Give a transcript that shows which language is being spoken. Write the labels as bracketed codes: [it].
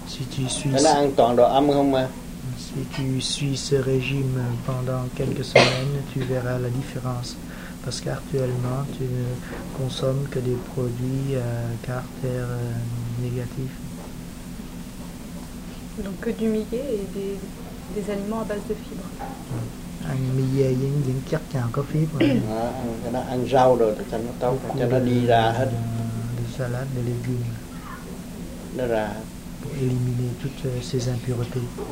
[fr] Si tu suis ce régime pendant quelques semaines, tu verras la différence. Parce qu'actuellement, tu ne consommes que des produits à caractère négatif. Donc que du millet et des aliments à base de fibres. [vi] Ăn millet với những chất nào có fibre. Ăn rau rồi cho nó tốt, cho nó đi ra hết. [fr] Des salades, des légumes. [vi] Nó ra. [fr] Pour éliminer toutes ces impuretés.